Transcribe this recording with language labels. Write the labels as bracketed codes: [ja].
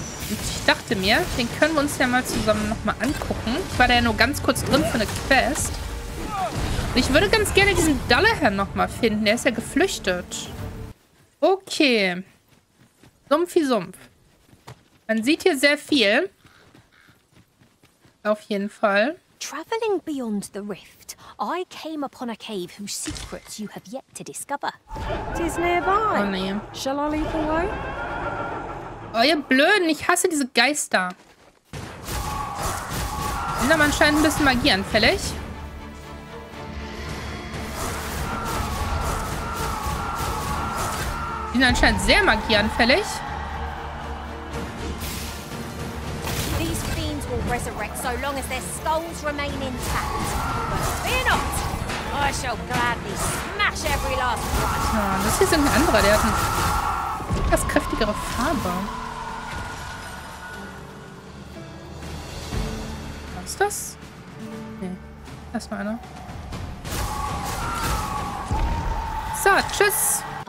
[de] Und ich dachte mir, den können wir uns ja mal zusammen nochmal angucken. Ich war da ja nur ganz kurz drin für eine Quest. Und ich würde ganz gerne diesen Dallahan nochmal finden. Der ist ja geflüchtet. Okay. Sumpfi Sumpf. Man sieht hier sehr viel. Auf jeden Fall. [en] Traveling beyond the rift, I came upon a cave whose secrets you have yet to discover. It is nearby. [de] Oh nee. [en] Shall I leave away? [de] Oh, ihr Blöden, ich hasse diese Geister. Na, man scheint ein bisschen Magie anfällig. Die sind anscheinend sehr magieanfällig. [en] These fiends will resurrect so long as their skulls remain intact. But fear not! I shall gladly smash every last one. [de] Ah, das hier sind ein anderer, der hat eine etwas kräftigere Farbe. Was ist das? Nee. Erstmal einer. So, tschüss!